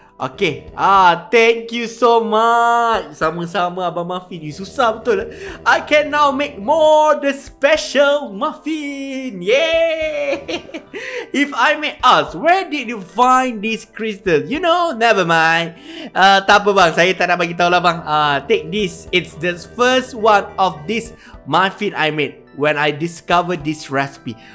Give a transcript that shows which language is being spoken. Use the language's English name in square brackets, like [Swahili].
[English] Okay, ah, thank you so much. [Malay] Sama-sama abang muffin. You susah betul. [English] I can now make more the special muffin. Yay! If I may ask, where did you find this crystal? You know, never mind. [Malay] Tak apa bang, saya tak nak bagi tahu lah bang. [English] Take this. It's the first one of this muffin I made when I discovered this recipe.